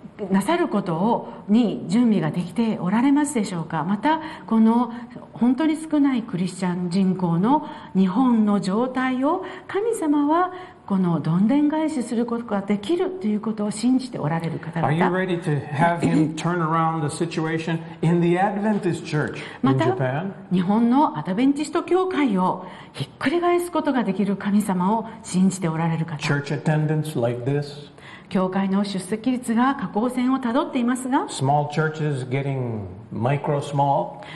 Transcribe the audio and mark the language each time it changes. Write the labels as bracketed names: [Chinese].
[Japanese] なさることに準備ができておられますでしょうか。またこの本当に少ないクリスチャン人口の日本の状態を神様はこのどんでん返しすることができるということを信じておられる方々。 [English] Are you ready to have him turn around the situation in the Adventist Church in Japan? [Japanese] また日本のアドベンチスト教会をひっくり返すことができる神様を信じておられる方。 [English] Church attendance like this? [Japanese] 教会の出席率が下降線をたどっていますが、 [English] small churches getting micro small.